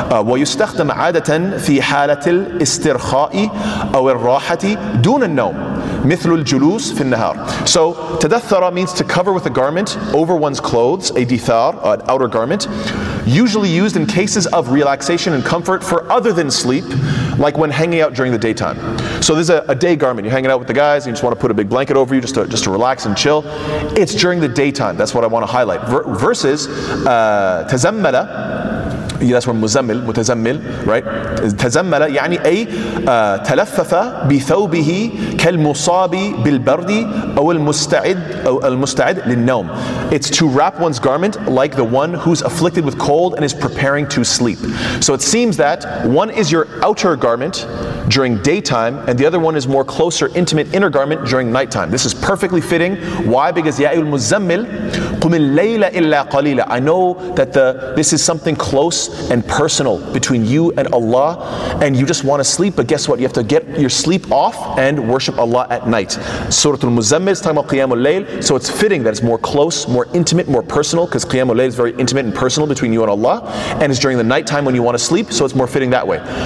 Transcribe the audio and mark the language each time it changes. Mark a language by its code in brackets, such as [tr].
[ar] ويستخدم عادة في حالة الاسترخاء أو الراحة دون النوم مثل الجلوس في النهار. [en] So تدثر means to cover with a garment over one's clothes, a dithar, an outer garment, usually used in cases of relaxation and comfort for other than sleep, like when hanging out during the daytime. So this is a day garment. You're hanging out with the guys, and you just want to put a big blanket over you just to relax and chill. It's during the daytime. That's what I want to highlight. Versus تزملة. Yeah, that's where mutazammil, right? [ar] Tazammala, يعني أي تلفف بثوبه كالمصاب بالبرد أو المستعد أو المستعد للنوم. [en] It's to wrap one's garment like the one who's afflicted with cold and is preparing to sleep. So it seems that one is your outer garment during daytime, and the other one is more closer, intimate inner garment during nighttime. This is perfectly fitting. Why? Because [ar] يا أيها المزمل قم الليل إلا قليلا. [en] I know that this is something close and personal between you and Allah, and you just want to sleep, but guess what? You have to get your sleep off and worship Allah at night. Surah Al-Muzammil is talking about Qiyam al-Layl, so it's fitting that it's more close, more intimate, more personal, because Qiyam al-Layl is very intimate and personal between you and Allah, and it's during the nighttime when you want to sleep, so it's more fitting that way.